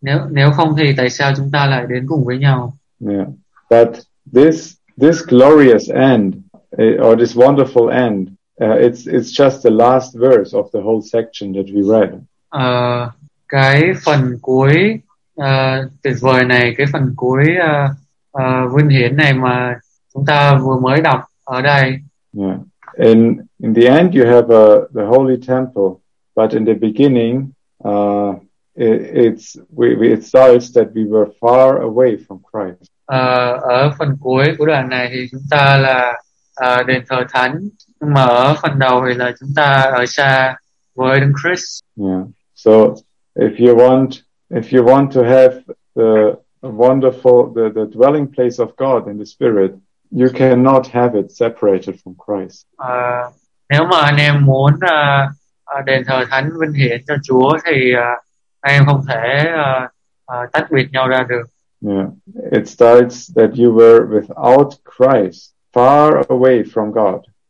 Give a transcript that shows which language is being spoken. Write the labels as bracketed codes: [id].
[vi] Nếu không thì tại sao chúng ta lại đến cùng với nhau? [en] Yeah, but this glorious end or this wonderful end, it's just the last verse of the whole section that we read. [vi] Cái phần cuối tuyệt vời này, cái phần cuối vinh hiển này mà chúng ta vừa mới đọc ở đây. [en] Yeah. In the end you have the holy temple, but in the beginning it starts that we were far away from Christ. [vi] Ở phần cuối của đoạn này thì chúng ta là đền thờ thánh, nhưng mà ở phần đầu thì là chúng ta ở xa với Đấng Christ. [en] Yeah. So if you want to have the wonderful the dwelling place of God in the Spirit, you cannot have it separated from Christ. [vi] Nếu mà anh em muốn đền thờ thánh vinh hiển cho Chúa thì anh em không thể tách biệt nhau ra được. [en] Yeah. It starts that you were without Christ, far away from God.